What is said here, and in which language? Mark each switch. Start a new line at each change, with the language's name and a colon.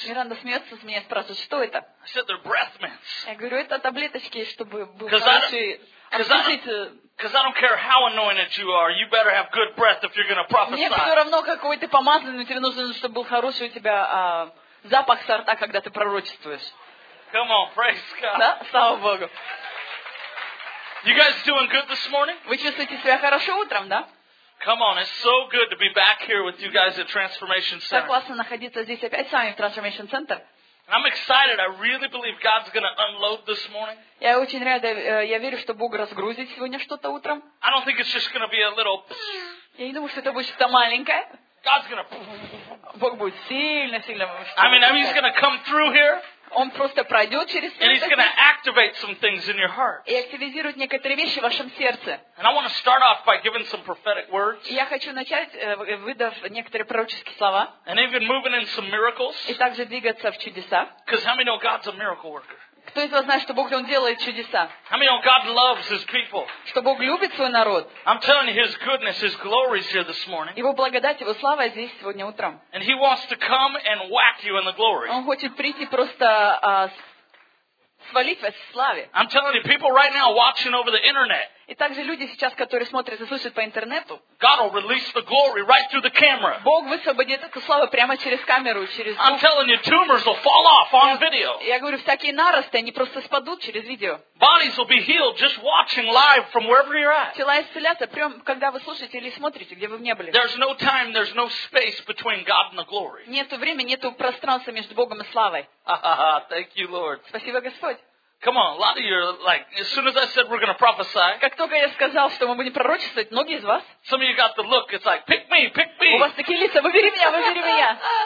Russian: Миранда смеется с меня, спрашивает, что это?
English: I said, "They're breath mints."
Russian: Я говорю, это таблеточки, чтобы
English: Because I don't care how anointed you are, you better have good breath if you're going to prophesy.
Russian: Мне все равно, какой ты помазанный, тебе нужно, чтобы был хороший у тебя запах со рта, когда ты пророчествуешь.
English: Come on, praise God.
Russian: Да, слава Богу.
English: You guys doing good this morning?
Russian: Вы чувствуете себя хорошо утром, да?
English: Come on, it's so good to be back here with you guys at Transformation Center.
Russian: Так классно находиться здесь опять с вами в Transformation Center.
English: I'm excited. I really believe God's going to unload this morning.
Russian: Я очень рада. Я верю, что Бог разгрузит сегодня что-то утром.
English: I don't think it's just going to be a little.
Russian: Я не думаю, что это будет что-то маленькое.
English: God's going to.
Russian: Бог будет сильно.
English: I mean, He's going to come through here.
Russian: Он просто пройдет через это.
English: And He's going to activate some things in your heart.
Russian: И активизирует некоторые вещи в вашем сердце.
English: And I want to start off by giving some prophetic words.
Russian: Я хочу начать, выдав некоторые пророческие слова.
English: And even moving in some miracles.
Russian: И также двигаться в чудеса.
English: Because how many know God's a miracle worker?
Russian: Кто из вас знает, что Бог, Он делает чудеса?
English: How many know God loves His people?
Russian: Что Бог любит свой народ?
English: I'm telling you, His goodness, His glory is here this morning.
Russian: Его благодать, Его слава здесь сегодня утром.
English: And He wants to come and whack you in the glory.
Russian: Он хочет прийти просто свалить вас в славе.
English: I'm telling you, people right now watching over the internet.
Russian: И также люди сейчас, которые смотрят и слушают по интернету.
English: God will release the glory right through the camera.
Russian: Бог высвободит эту славу прямо через камеру, через.
English: I'm telling you, tumors will fall off on video.
Russian: Я говорю, всякие наросты, они просто спадут через видео.
English: Bodies will be healed just watching live from wherever you're at.
Russian: Тела исцелятся прямо, когда вы слушаете или смотрите, где вы не были.
English: There's no time, there's no space between God and the glory.
Russian: Нету времени, нету пространства между Богом и славой.
English: Thank you, Lord.
Russian: Спасибо, Господь.
English: Come on, a lot of you are like, as soon as I said we're going to prophesy.
Russian: Как только я сказал, что мы будем пророчествовать, многие из вас.
English: Some of you got the look. It's like, pick me, pick me.
Russian: У вас такие лица. Выбери меня, выбери меня.